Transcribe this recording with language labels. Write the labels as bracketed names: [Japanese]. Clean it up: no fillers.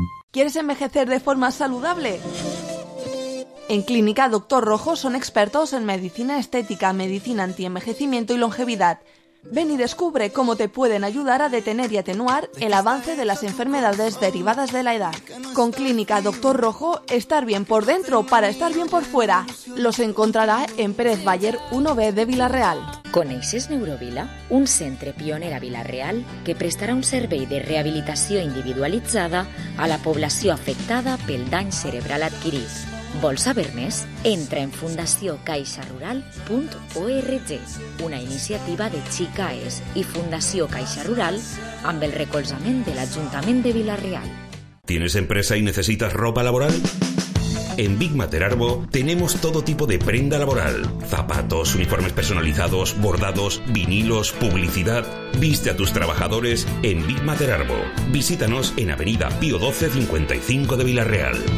[Spanish] ¿Quieres envejecer de forma saludable? En Clínica Doctor Rojo son expertos en medicina estética, medicina antienvejecimiento y longevidad. Ven y descubre cómo te pueden ayudar a detener y atenuar el avance de las enfermedades derivadas de la edad. Con Clínica Doctor Rojo, estar bien por dentro para estar bien por fuera. Los encontrará en Pérez Bayer 1B de Villarreal. [Catalan] Coneixes Neurovila, un centre pioner a Villarreal que prestarà un servei de rehabilitació individualitzada a la població afectada pel dany cerebral adquirit. Vols saber més? Entra en fundaciócaixarural.org, una iniciativa de Xicaes i Fundació Caixa Rural amb el recolzament de l'Ajuntament de Villarreal. [Spanish] ¿Tienes empresa y necesitas ropa laboral? En Big Mater Arbo tenemos todo tipo de prenda laboral. Zapatos, uniformes personalizados, bordados, vinilos, publicidad. Viste a tus trabajadores en Big Mater Arbo. Visítanos en Avenida Pío 12, 55 de Villarreal.